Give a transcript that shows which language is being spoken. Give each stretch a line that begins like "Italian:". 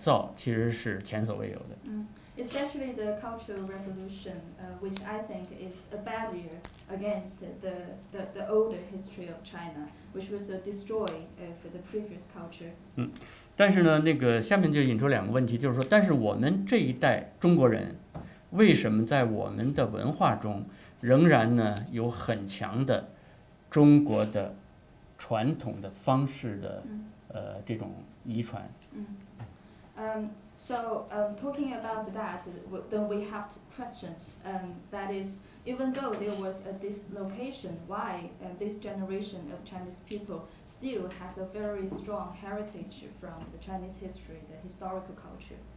Chinese: 特别是到了文革呢，这种隔断和这个对过去文化的一种破坏或者毁灭和改造，其实是前所未有的。
English: Especially the Cultural Revolution, which I think is a barrier against the older history of China, which was a destroy for the previous culture.
Chinese: 但是呢，那个下面就引出两个问题，就是说，但是我们这一代中国人，为什么在我们的文化中仍然呢有很强的中国的传统的方式的这种遗传？
English: Talking about that, then we have questions. That is, even though there was a dislocation, why this generation of Chinese people still has a very strong heritage from the Chinese history, the historical culture?